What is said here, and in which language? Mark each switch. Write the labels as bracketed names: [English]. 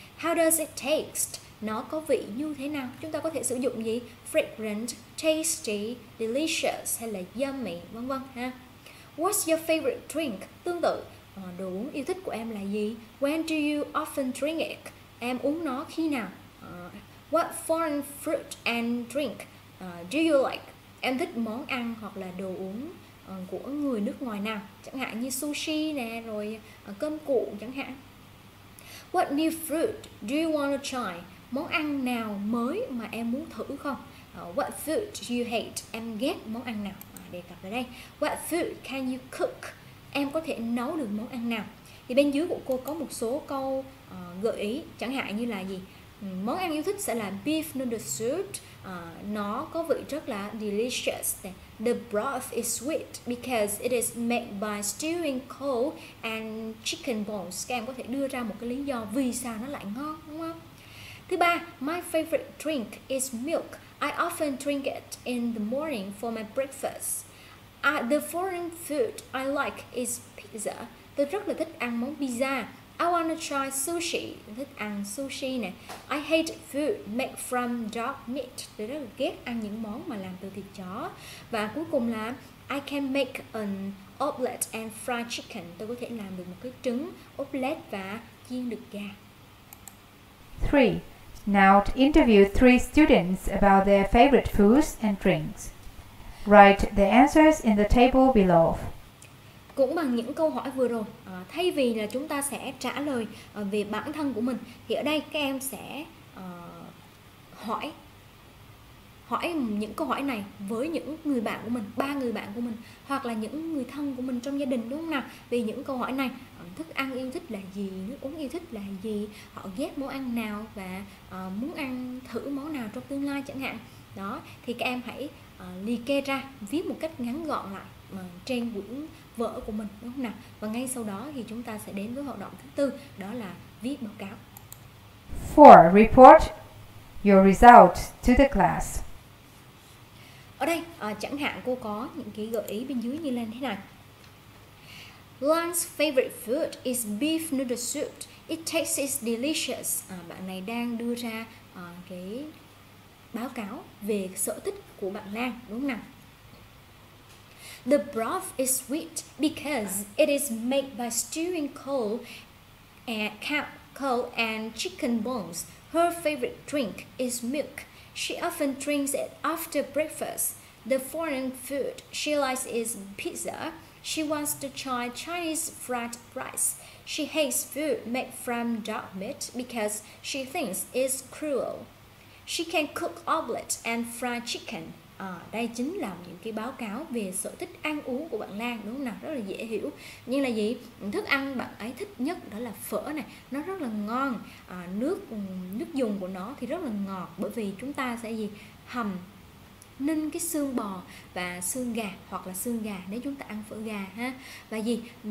[English] How does it taste? [Vietnamese] Nó có vị như thế nào? Chúng ta có thể sử dụng gì? [English] Fragrant, tasty, delicious [Vietnamese] hay là yummy, vân vân ha. [English] What's your favorite drink? [Vietnamese] Tương tự, đồ uống yêu thích của em là gì? [English] When do you often drink it? [Vietnamese] Em uống nó khi nào? [English] What foreign fruit and drink do you like? [Vietnamese] Em thích món ăn hoặc là đồ uống của người nước ngoài nào? Chẳng hạn như sushi nè, rồi cơm cụ chẳng hạn. [English] What new fruit do you want to try? [Vietnamese] Món ăn nào mới mà em muốn thử không? [English] What food do you hate? [Vietnamese] Em ghét món ăn nào? Đề cập ở đây. [English] What food can you cook? [Vietnamese] Em có thể nấu được món ăn nào? Thì bên dưới của cô có một số câu gợi ý. Chẳng hạn như là gì? Món ăn yêu thích sẽ là beef noodle soup. Nó có vị rất là delicious. [English] The broth is sweet because it is made by stewing cold and chicken bones. [Vietnamese] Các em có thể đưa ra một cái lý do vì sao nó lại ngon, đúng không? Thứ ba, [English] my favorite drink is milk. I often drink it in the morning for my breakfast. The foreign food I like is pizza. [Vietnamese] Tôi rất là thích ăn món pizza. [English] I want to try sushi. [Vietnamese] Tôi thích ăn sushi nè. [English] I hate food made from dog meat. [Vietnamese] Tôi rất là ghét ăn những món mà làm từ thịt chó. Và cuối cùng là [English] I can make an omelette and fried chicken. [Vietnamese] Tôi có thể làm được một cái trứng omelette và chiên được gà. 3. [English] Now to interview 3 students about their favorite foods and drinks. Write the answers in the table below. [Vietnamese] Cũng bằng những câu hỏi vừa rồi, thay vì là chúng ta sẽ trả lời về bản thân của mình, thì ở đây các em sẽ hỏi những câu hỏi này với những người bạn của mình, ba người bạn của mình hoặc là những người thân của mình trong gia đình, đúng không nào? Về những câu hỏi này, thức ăn yêu thích là gì, nước uống yêu thích là gì, họ ghét món ăn nào và muốn ăn thử món nào trong tương lai chẳng hạn. Đó, thì các em hãy liệt kê ra, viết một cách ngắn gọn lại trên quyển vở của mình, đúng không nào? Và ngay sau đó thì chúng ta sẽ đến với hoạt động thứ tư, đó là viết báo cáo. [English] 4. Report your results to the class. [Vietnamese] Ở đây, chẳng hạn cô có những cái gợi ý bên dưới như lên thế này. [English] Lan's favorite food is beef noodle soup. It tastes delicious. [Vietnamese] Bạn này đang đưa ra cái báo cáo về sở thích của bạn Lan, đúng không nào? [English] The broth is sweet because it is made by stewing coal and chicken bones. Her favorite drink is milk. She often drinks it after breakfast. The foreign food she likes is pizza. She wants to try Chinese fried rice. She hates food made from dog meat because she thinks it's cruel. She can cook omelette and fried chicken. [Vietnamese] Đây chính là những cái báo cáo về sở thích ăn uống của bạn Lan, đúng không nào? Rất là dễ hiểu. Như là gì? Thức ăn bạn ấy thích nhất đó là phở này. Nó rất là ngon. Nước dùng của nó thì rất là ngọt. Bởi vì chúng ta sẽ gì? Hầm ninh cái xương bò và xương gà, hoặc là xương gà nếu chúng ta ăn phở gà ha. Và gì?